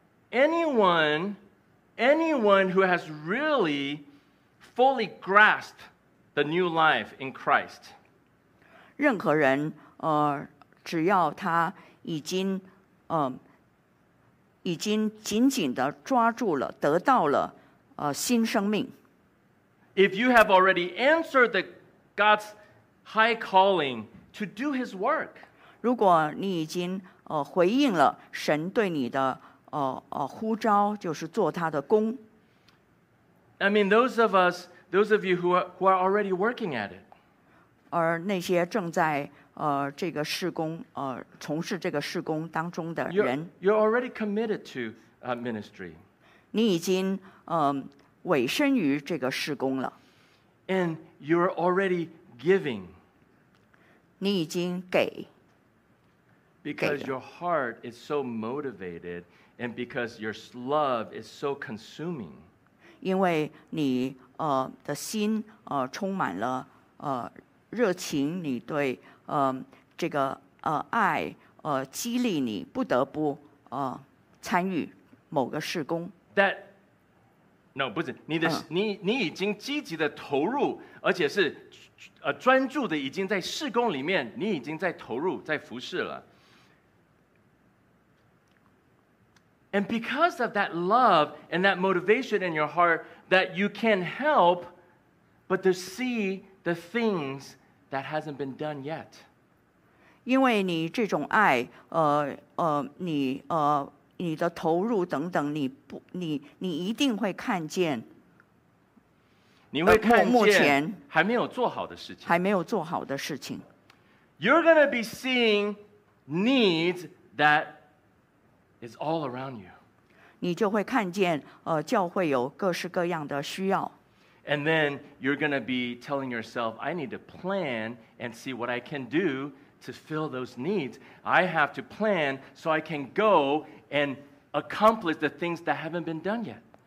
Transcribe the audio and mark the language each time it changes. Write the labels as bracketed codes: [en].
[en] Anyone who has really fully grasped the new life in Christ. [zh] 任何人, 只要他已经, 已经紧紧地抓住了, 得到了, 新生命。 [en] If you have already answered the God's high calling to do his work. [zh] 如果你已经, 回应了神对你的, 呼召, 就是做他的工。 [en] I mean, those of us, those of you who are already working at it. [zh] 而那些正在, 这个事工, 从事这个事工当中的人。 [en] You're already committed to ministry. [zh] 你已经, 委身于这个事工了。 [en] And you're already giving. [zh] 你已经给, [en] because your heart is so motivated and because your love is so consuming. [zh] 因为你, 的心, 充满了, 热情, 你对, 这个, 爱, 激励你, 不得不, 参与某个事工。 [en] That No, [zh] 不是, 你已经积极地投入, 而且是, 专注地, 已经在事工里面, 你已经在投入, 在服侍了。 [en] And because of that love and that motivation in your heart, that you can't help but to see the things that hasn't been done yet. [zh] 因为你这种爱, 你, 你的投入等等, 你不, 你, 你一定会看见, 你会看见, 还没有做好的事情。还没有做好的事情。 [en] You're going to be seeing needs that is all around you. [zh] 你就会看见，教会有各式各样的需要。 [en] And then you're going to be telling yourself, I need to plan and see what I can do to fill those needs. I have to plan so I can go and accomplish the things that haven't been done yet.